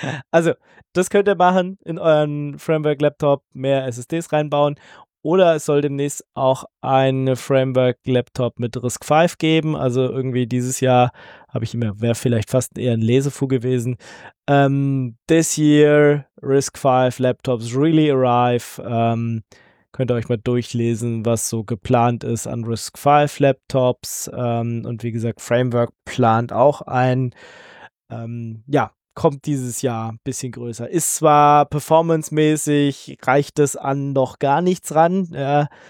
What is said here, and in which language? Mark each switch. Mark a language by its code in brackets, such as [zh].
[de] Also, das könnt ihr machen in euren Framework-Laptop, mehr SSDs reinbauen. Oder es soll demnächst auch ein Framework-Laptop mit RISC-V geben. Also irgendwie dieses Jahr habe ich immer, wäre vielleicht fast eher ein Lesefu gewesen. [en] This year, RISC-V Laptops really arrive. [de] Könnt ihr euch mal durchlesen, was so geplant ist an RISC-V Laptops. Und wie gesagt, Framework plant auch ein. Kommt dieses Jahr ein bisschen größer. Ist zwar performancemäßig, reicht es an noch gar nichts ran. Ja.